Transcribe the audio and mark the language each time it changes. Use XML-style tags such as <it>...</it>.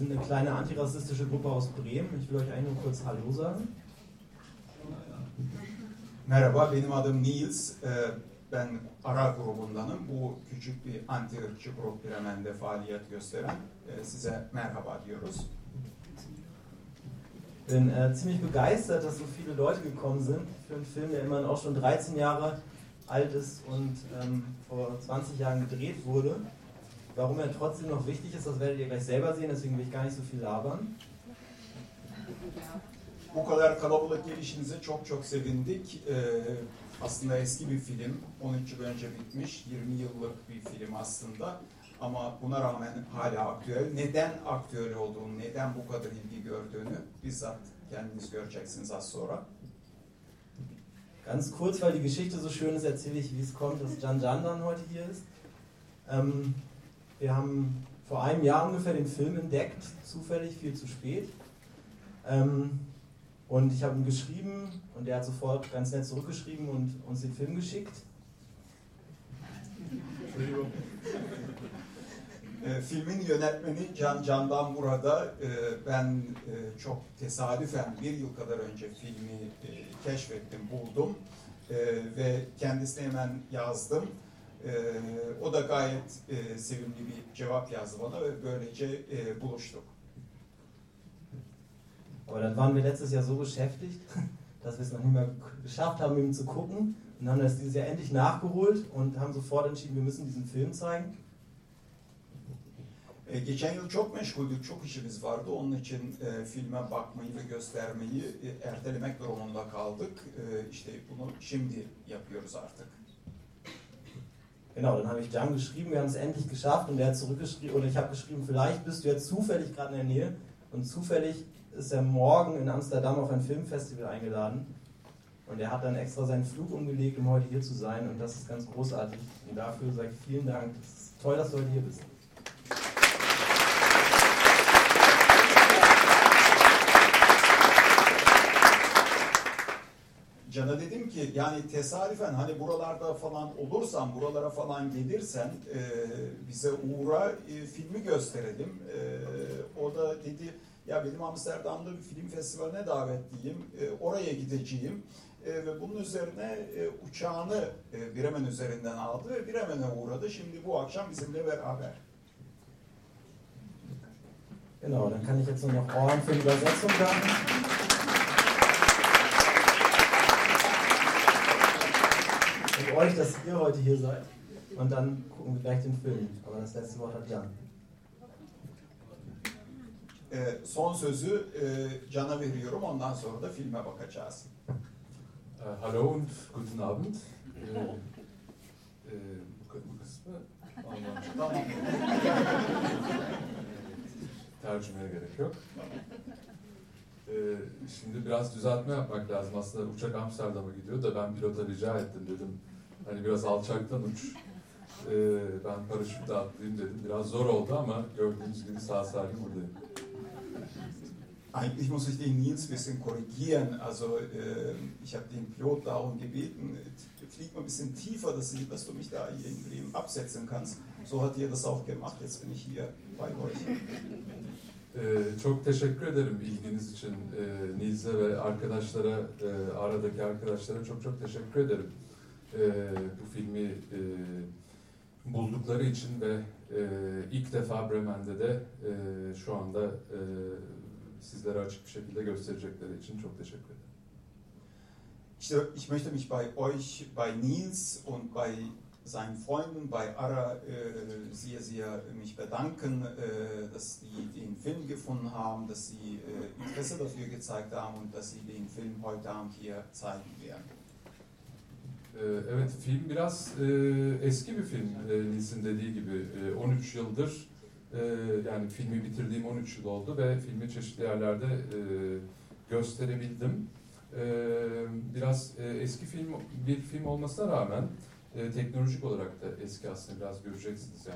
<de>Eine antirassistische Gruppe aus Bremen. Ich will euch eigentlich nur kurz Hallo sagen.</de> <tr>Merhaba, benim adım Nils. Ben ARA grubundanım. Bu küçük bir antirassistçi grup Bremen'de faaliyet gösteren. Size merhaba diyoruz.</tr> <de>Bin ziemlich begeistert, dass so viele Leute gekommen sind für einen Film, der immerhin auch schon 13 Jahre alt ist und vor 20 Jahren gedreht wurde. Warum er trotzdem noch wichtig ist, das werdet ihr gleich selber sehen, deswegen will ich gar nicht so viel labern.</de> <tr>Bu kadar kalabalık gelişinize çok çok sevindik. Aslında eski bir film, 13 yıl önce bitmiş, 20 yıllık bir film aslında. Ama buna rağmen hala aktüel. Neden aktüel olduğunu, neden bu kadar ilgi gördüğünü bizzat kendiniz göreceksiniz az sonra.</tr> <de>Ganz kurz, weil die Geschichte so schön ist, erzähle ich, wie es kommt, dass Can Can dann heute hier ist. Wir haben vor einem Jahr ungefähr den Film entdeckt, zufällig, viel zu spät. Und ich habe ihm geschrieben und er hat sofort ganz nett zurückgeschrieben und uns den Film geschickt. Entschuldigung.</de> <tr>Filmin yönetmeni Can Can'dan burada. Ben çok tesadüfen bir yıl kadar önce filmi keşfettim, buldum. Ve kendisine hemen yazdım. O da gayet sevimli bir cevap yazdı bana ve böylece buluştuk.</tr> <de>Aber dann waren wir letztes Jahr so beschäftigt, dass wir es noch nicht mehr geschafft haben, ihm zu gucken. Und haben das dieses Jahr endlich nachgeholt und haben sofort entschieden, wir müssen diesen Film zeigen.</de> <tr>Geçen yıl çok meşguldük, çok işimiz vardı. Onun için filme bakmayı ve göstermeyi ertelemek durumunda kaldık. İşte bunu şimdi yapıyoruz artık.</tr> <de>Genau, dann habe ich Can geschrieben, wir haben es endlich geschafft und er hat zurückgeschrieben, oder ich habe geschrieben, vielleicht bist du jetzt zufällig gerade in der Nähe und zufällig ist er morgen in Amsterdam auf ein Filmfestival eingeladen und er hat dann extra seinen Flug umgelegt, um heute hier zu sein und das ist ganz großartig und dafür sage ich vielen Dank, es ist toll, dass du heute hier bist.</de> <tr>Can'a dedim ki yani tesadüfen hani buralarda falan olursan, buralara falan gelirsen bize uğra filmi gösterelim. O da dedi ya benim Amsterdam'da bir film festivaline davetliyim, oraya gideceğim. Ve bunun üzerine uçağını Bremen üzerinden aldı ve Bremen'e uğradı. Şimdi bu akşam bizimle beraber.</tr> <de>Genau, dann kann ich jetzt noch Ohren für die Übersetzung da. Euch, dass ihr heute hier seid. Und dann gucken wir gleich den Film. Aber das letzte Wort hat Can.</de> <tr>Son sözü Can'a veriyorum. Ondan sonra da filme bakacağız.</tr> <de>Hallo und guten Abend.</de> <tr>Bu kısmı tercümeye gerek yok. Şimdi biraz düzeltme yapmak lazım. Aslında uçak Amsterdam'a gidiyor da ben pilota rica ettim dedim. Hani biraz alçaktan uç, ben paraşütle atlayayım dedim. Biraz zor oldu ama gördüğünüz gibi sağ salim buradayım.</tr> <de>Eigentlich muss ich den Nils ein bisschen korrigieren. Also ich habe den Pilot darum gebeten, flieg mal ein bisschen tiefer, dass du mich da hier in Bremen absetzen kannst. So hat ihr das auch gemacht, jetzt bin ich hier bei euch.</de> <tr>Çok teşekkür ederim ilginiz için. Nils'e ve arkadaşlara, aradaki arkadaşlara çok çok teşekkür ederim. Bu filmi buldukları için ve ilk defa Bremen'de de şu anda sizlere açık bir şekilde gösterecekleri için çok teşekkür ederim. İşte,</tr> <de>ich möchte mich bei euch, bei Nils und bei seinen Freunden bei Ara sehr, sehr mich bedanken, dass sie den Film gefunden haben, dass sie Interesse dafür gezeigt haben und dass sie den Film heute Abend hier zeigen werden.</de> <tr>Evet, Film biraz eski bir film. Nils'in dediği gibi 13 yıldır, yani filmi bitirdiğim 13 yıl oldu ve filmi çeşitli yerlerde gösterebildim. Biraz eski film, bir film olmasına rağmen teknolojik olarak da eski aslında, biraz göreceksiniz.</tr>